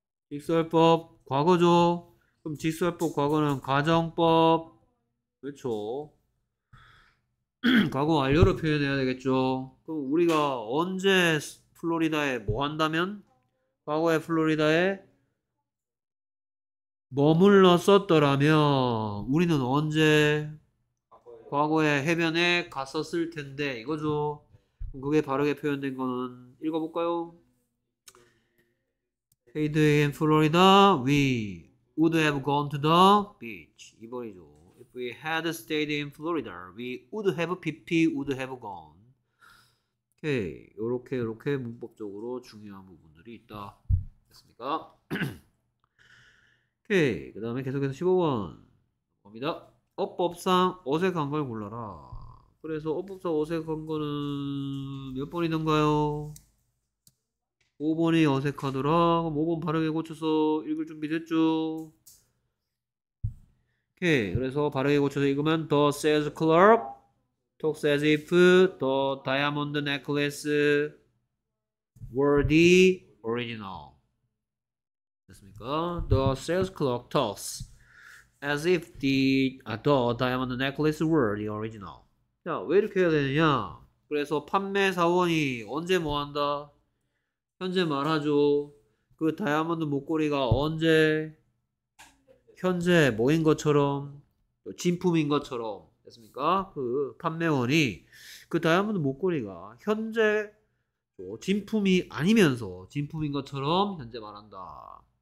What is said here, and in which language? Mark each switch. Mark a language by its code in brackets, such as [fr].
[ko] 직설법 과거죠 그럼 직설법 과거는 가정법 그렇죠 과거 완료로 표현해야 되겠죠 그럼 우리가 언제 플로리다에 뭐 한다면 과거에 플로리다에 머물렀었더라면 우리는 언제 과거에 해변에 갔었을 텐데 이거죠 그게 바르게 표현된 거는 읽어볼까요? [en] Hey, in Florida, we would have gone to the beach. [ko] 2번이죠. [en] If we had stayed in Florida, we would have PP, would have gone. [ko] 오케이. 요렇게 문법적으로 중요한 부분들이 있다. 됐습니까? 오케이. 그 다음에 계속해서 15번. 갑니다. 어법상 어색한 걸 골라라. 그래서 어법상 어색한 거는 몇 번이던가요? 5번이 어색하더라. 그럼 5번 바르게 고쳐서 읽을 준비 됐죠? 오케이. 그래서 바르게 고쳐서 읽으면 [en] The sales clerk talks as if the diamond necklace were the original. [ko] 됐습니까? [en] The sales clerk talks as if the diamond necklace were the original. [ko] 야, 왜 이렇게 해야 되느냐? 그래서 판매 사원이 언제 뭐 한다? 현재 말하죠. 그 다이아몬드 목걸이가 언제 현재 뭐인 것처럼 진품인 것처럼 됐습니까? 그 판매원이 그 다이아몬드 목걸이가 현재 진품이 아니면서 진품인 것처럼 현재 말한다.